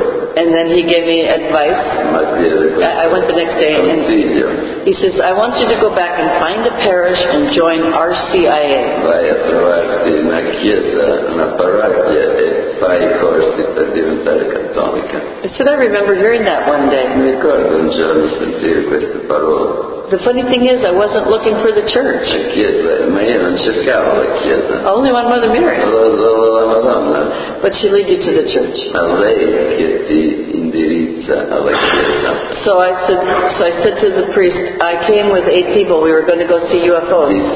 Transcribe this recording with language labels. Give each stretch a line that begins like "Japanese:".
English: And then he gave me advice. I went the next day and he says, I want you to go back and find a parish and join RCIA.
Italian: Vai a trovarti una chiesa, una parrocchia e fai i corsi per diventare cattolica.
English: I said, I remember hearing that one day.
Italian: Mi ricordo un giorno sentire queste parole.
English: The funny thing is, I wasn't looking for the church.
Italian: La chiesa, ma io non cercavo la chiesa.
English: I only wanted Mother Mary.
Italian: La Madonna.
English: But she led you to the church.
Italian: Ma lei che ti indirizza alla chiesa.
English: So I said to the priest, I came with 8 people. We were going to go see UFOs.